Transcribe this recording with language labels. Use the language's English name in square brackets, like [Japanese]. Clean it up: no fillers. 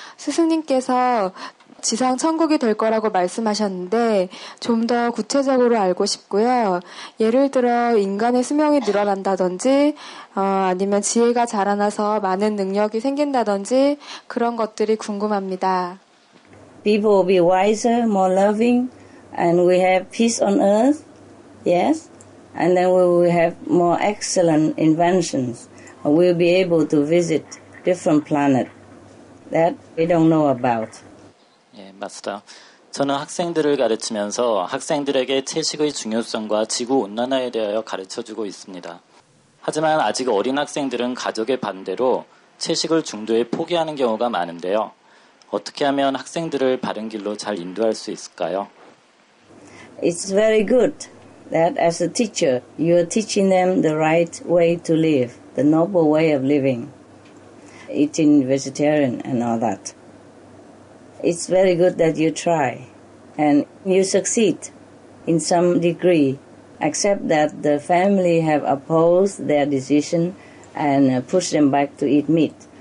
[Korean] 스승님께서 지상 천국이 될 거라고 말씀하셨는데 좀 더 구체적으로 알고 싶고요. 예를 들어 인간의 수명이 늘어난다든지 아니면 지혜가 자라나서 많은 능력이 생긴다든지 그런 것들이 궁금합니다. [English] People will be wiser, more loving, and we have peace on earth. Yes, and then we will have more excellent inventions. We'll be able to visit different planets that we don't know about. [Korean] 예, 마스터. 저는 학생들을 가르치면서 학생들에게 채식의 중요성과 지구 온난화에 대하여 가르쳐 주고 있습니다. 하지만 아직 어린 학생들은 가족의 반대로 채식을 중도에 포기하는 경우가 많은데요. 어떻게 하면 학생들을 바른 길로 잘 인도할 수 있을까요? [English] It's very good that as a teacher, you're teaching them the right way to live, the noble way of living, eating vegetarian and all that. It's very good that you try and you succeed in some degree, except that the family have opposed their decision and pushed them back to eat meat.